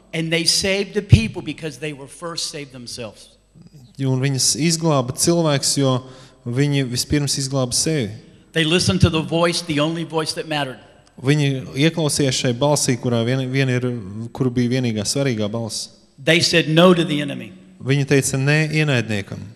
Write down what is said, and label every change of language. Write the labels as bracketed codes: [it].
[en] And they saved the people because they were first saved themselves. [lv] Un viņas izglāba cilvēks, jo viņi vispirms izglāba sevi. [en] They listened to the voice, the only voice that mattered. [lv] Viņi ieklausījās šai balsī, kurā vien ir, kuru bija vienīgā svarīgā balss. [en] They said no to the enemy. [lv] Viņi teica nē ienaidniekam.